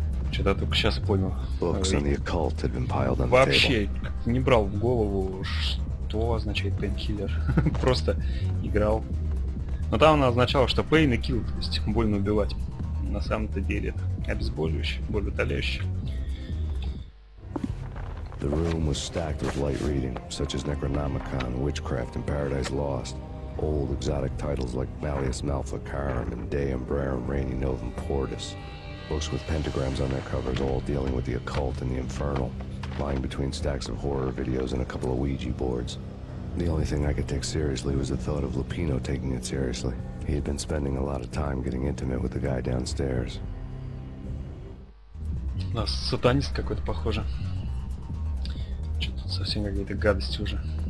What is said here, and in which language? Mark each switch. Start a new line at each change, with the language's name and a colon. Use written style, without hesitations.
Russian: Что-то только сейчас понял. Вообще, не брал в голову, что означает Painkiller. Просто играл. Но там она означала, что pain и kill, то есть больно убивать. На самом-то деле это обезболивающий, более утоляющий.
English: The room was stacked with light reading, such as Necronomicon, Witchcraft, and Paradise Lost. Old exotic titles like Malleus Malficarum and De Umbrarum Rainy Novum Portus. Books with pentagrams on their covers, all dealing with the occult and the infernal. Lying between stacks of horror videos and a couple of Ouija boards. The only thing I could take seriously was the thought of Lupino taking it seriously. He had been spending a lot of time getting intimate with the guy downstairs.
Russian: У нас сатанист какой-то, похоже. Что-то тут совсем какие-то гадости уже.